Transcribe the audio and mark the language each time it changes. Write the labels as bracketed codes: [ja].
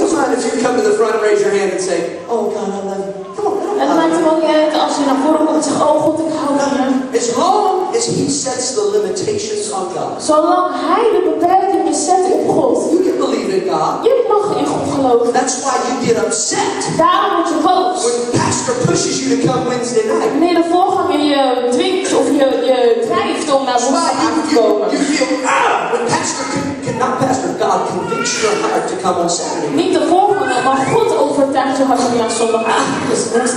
[en] It's fine if you come to the front and raise your hand and say, oh God, I love you. [nl] Het maakt er ook niet uit als je naar voren komt en zegt, oh God, ik hou van je. [en] As long as he sets the limitations on God. [nl] Zolang hij de beperkingen zet op God. [en] You can believe in God. [nl] Je mag in God geloven. [en] That's why you get upset. [nl] Daarom word je boos. [en] When the pastor pushes you to come Wednesday night. [nl] Nee, de voorganger je dwingt of je drijft om naar woensdagavond te komen. [en] You feel, when pastor cannot pastor, God convicts your heart to come on Saturday. [nl] Niet de voorganger, maar God overtuigt je hart om naar zondagavond te komen.